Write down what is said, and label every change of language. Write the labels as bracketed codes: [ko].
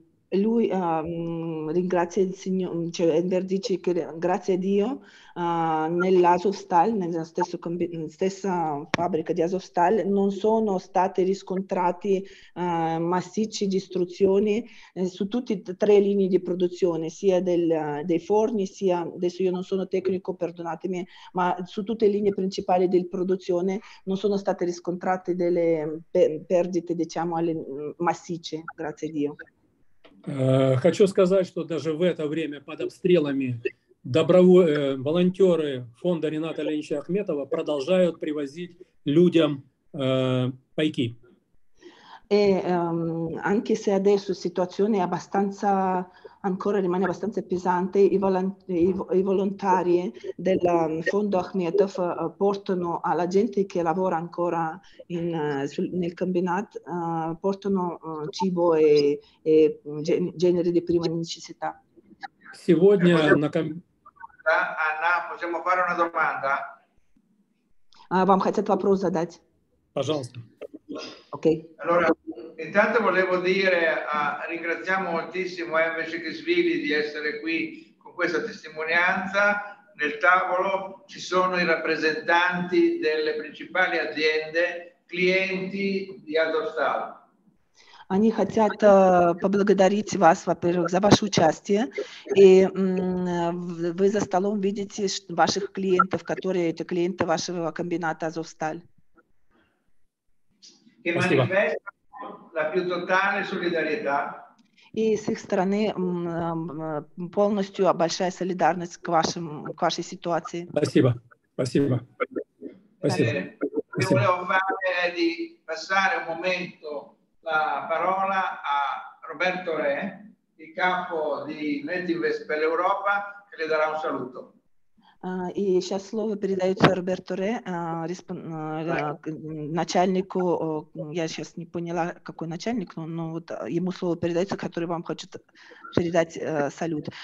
[it] Lui ringrazia il Signore, cioè Ender dice che grazie a Dio nell'Azovstal, nella stessa fabbrica di Azovstal, non sono state riscontrate massicce distruzioni su tutte e tre le linee di produzione, sia dei forni, sia, adesso io non sono tecnico, perdonatemi, ma su tutte le linee principali di produzione non sono state riscontrate delle perdite, diciamo, massicce, grazie a Dio. [ru] Хочу сказать, что даже в это время под обстрелами волонтеры фонда Рината Леонидовича Ахметова продолжают привозить людям пайки. [it] E anche se adesso la situazione è abbastanza, ancora rimane abbastanza pesante, i volontari del fondo Ahmetov portano alla gente che lavora ancora nel combinato, portano cibo e generi di prima necessità. [ru] Сегодня [it] Anna, possiamo fare una domanda? [ru] Вам хотят вопрос задать? Пожалуйста. [it] Ok. Allora, intanto volevo dire, ringraziamo moltissimo MC Svili di essere qui con questa testimonianza. Nel tavolo ci sono i rappresentanti delle principali aziende, clienti di Azovstal. [ru] Они хотят поблагодарить вас, во-первых, за ваше участие. И вы за столом видите ваших клиентов, которые это клиенты вашего комбината Азовсталь. [it] Che manifesta la più totale solidarietà. [ru] И с их стороны полностью большая солидарность к вашей ситуации. Спасибо. Спасибо. Спасибо. Я [it] volevo fare di passare un momento la parola a Roberto Re, il capo di Medinvest per l'Europa, che le darà un saluto. [ru] И сейчас слово передается Роберто Ре, начальнику, я сейчас не поняла, какой начальник, но вот ему слово передается, который вам хочет передать салют.